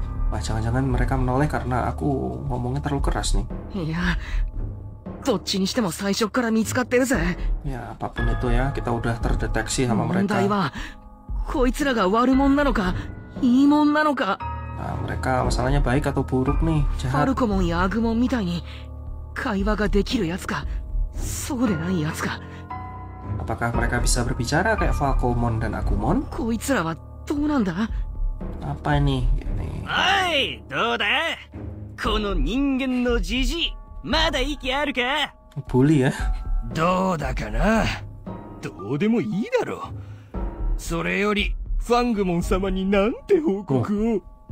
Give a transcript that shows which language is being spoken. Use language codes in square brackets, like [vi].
[id] まあ、jangan-jangan mereka menoleh karena aku ngomongnya terlalu keras nih. Iya. [ja] どっちにしても最初から見つかってるぜ。い [id] や、apapun itu ya, kita udah terdeteksi sama mereka. [ja] 問題は、こいつらが悪者なのか、いい者なのか。 [id] Nah, mereka masalahnya baik atau buruk nih, jahat. [ja] ファルコモンやアグモンみたいに、会話ができるやつか、そうでないやつか。 [id] Apakah mereka bisa berbicara kayak Falcomon dan Agumon? [ja] こいつらはどうなんだ? [id] Apa ini? Gini. [ja] Oi, どうだ?この人間のジジイ。まだ息あるか? [id] Bully ya? [ja] どうだかな?どうでもいいだろう。それより、ファングモン様になんて報告を。